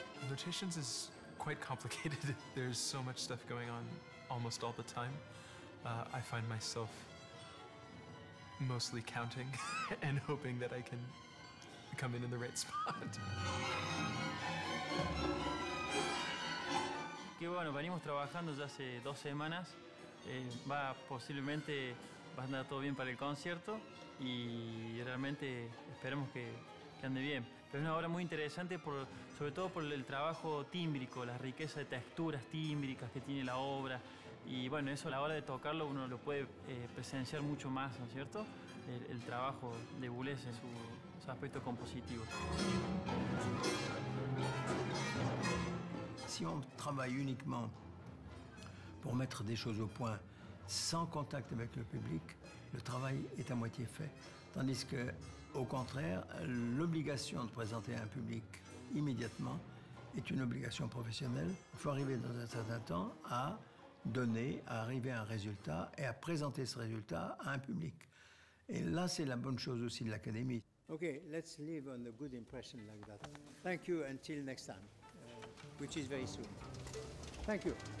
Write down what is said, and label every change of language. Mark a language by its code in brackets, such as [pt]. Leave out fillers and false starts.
[en] Notations is quite complicated. There's so much stuff going on almost all the time. I find myself mostly counting and hoping that I can come in the right spot. [es] Qué bueno, venimos trabajando ya hace dos semanas. Va posiblemente va a andar todo bien para el concierto y realmente esperemos que ande bien. Es una obra muy interesante, sobre todo por el trabajo tímbrico, la riqueza de texturas tímbricas que tiene la obra. Y bueno, eso a la hora de tocarlo uno lo puede presenciar mucho más, ¿no es cierto? El trabajo de Boulez en su aspecto compositivo. [fr] Si on travaille uniquement pour mettre des choses au point sans contact avec le public, le travail est à moitié fait. Tandis que au contraire, l'obligation de présenter un public immédiatement est une obligation professionnelle. Il faut arriver dans un certain temps à arriver à un résultat et à présenter ce résultat à un public. Et là, c'est la bonne chose aussi de l'Académie. [en] OK, let's leave on a good impression like that. Thank you until next time, which is very soon. Thank you.